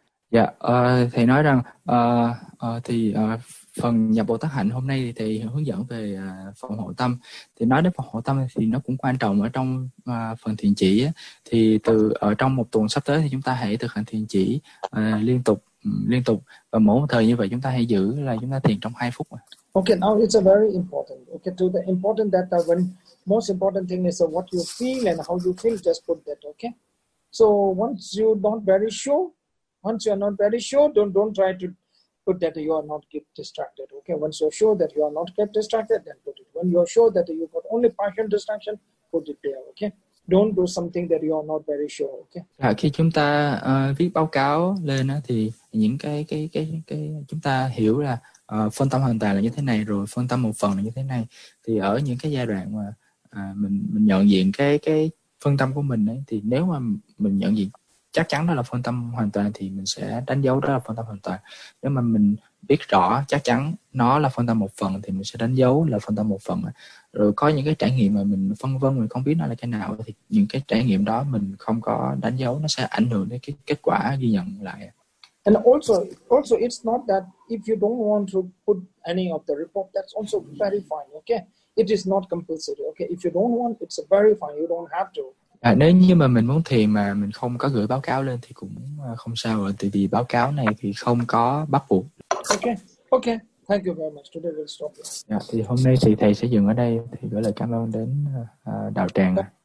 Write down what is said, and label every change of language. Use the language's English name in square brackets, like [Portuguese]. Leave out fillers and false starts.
[Vietnamese] Dạ, thầy nói rằng thì phần nhập Bồ Tát hạnh hôm nay thì thầy hướng dẫn về phần hộ tâm. Thì nói đến phần hộ tâm thì nó cũng quan trọng ở trong phần thiền chỉ á. Thì từ ở trong một tuần sắp tới thì chúng ta hãy thực hành thiền chỉ liên tục, và mỗi một thời như vậy chúng ta hãy giữ là chúng ta thiền trong 2 phút. [English] Okay, now it's a very important. Okay, to the important that when most important thing is what you feel and how you feel, just put that. Okay. So once you are not very sure, don't try to put that you are not get distracted. Okay. Once you're sure that you are not get distracted, then put it. When you're sure that you've got only partial distraction, put it there. Okay. Don't do something that you are not very sure. Okay. [Vietnamese] À, khi chúng ta viết báo cáo lên á, thì những cái chúng ta hiểu là phân tâm hoàn toàn là như thế này, rồi phân tâm một phần là như thế này, thì ở những cái giai đoạn mà mình nhận diện cái phân tâm của mình ấy, thì nếu mà mình nhận diện chắc chắn đó là phân tâm hoàn toàn thì mình sẽ đánh dấu đó là phân tâm hoàn toàn. Nếu mà mình biết rõ chắc chắn nó là phân tâm một phần thì mình sẽ đánh dấu là phân tâm một phần. Rồi có những cái trải nghiệm mà mình phân vân, mình không biết nó là cái nào, thì những cái trải nghiệm đó mình không có đánh dấu, nó sẽ ảnh hưởng đến cái kết quả ghi nhận lại. [English] And also it's not that if you don't want to put any of the report, that's also very fine, okay? It is not compulsory, okay? If you don't want, it's very fine, you don't have to. [Vietnamese] À, nếu như mà mình muốn thiền mà mình không có gửi báo cáo lên thì cũng không sao rồi, tại vì báo cáo này thì không có bắt buộc. [English] Okay. Thank you very much. Today we'll stop here. [Vietnamese] Dạ, thì hôm nay thì thầy sẽ dừng ở đây, thì gửi lời cảm ơn đến đạo tràng.